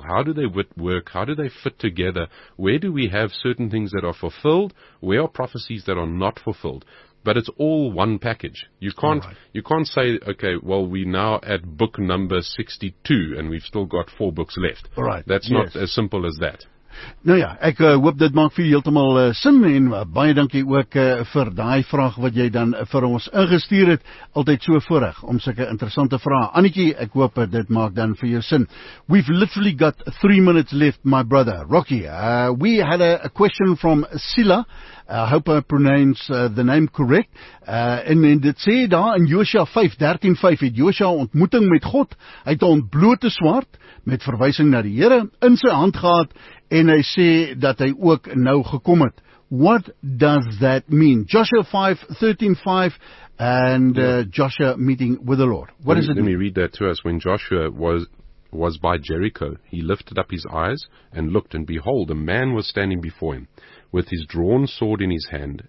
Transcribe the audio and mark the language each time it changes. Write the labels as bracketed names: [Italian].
[English] How do they work? How do they fit together? Where do we have certain things that are fulfilled? Where are prophecies that are not fulfilled? But it's all one package. You can't say, okay, well, we now at book number 62 and we've still got four books left. All right. That's not as simple as that. [Afrikaans] Nou ja, ek hoop dit maak vir heeltemal sin en baie dankie ook vir daai vraag wat jy dan vir ons ingestuur het. Altyd so voorreg om sulke interessante vrae. Annetjie, ek hoop dit maak dan vir jou sin. [English] We've literally got 3 minutes left, my brother. Rocky, we had a question from Sila. I hope I pronounce the name correct. [Afrikaans] En dit sê daar in Josua 5:13-5 het Josua ontmoeting met God. Hy het 'n ontblote swaard met verwysing na die Here in sy hand gehad. En hy sê dat hy ook nou gekom het. [English] What does that mean? Joshua 5:13-5 and Joshua meeting with the Lord. What does it mean? Let me read that to us. When Joshua was by Jericho, he lifted up his eyes and looked, and behold, a man was standing before him with his drawn sword in his hand.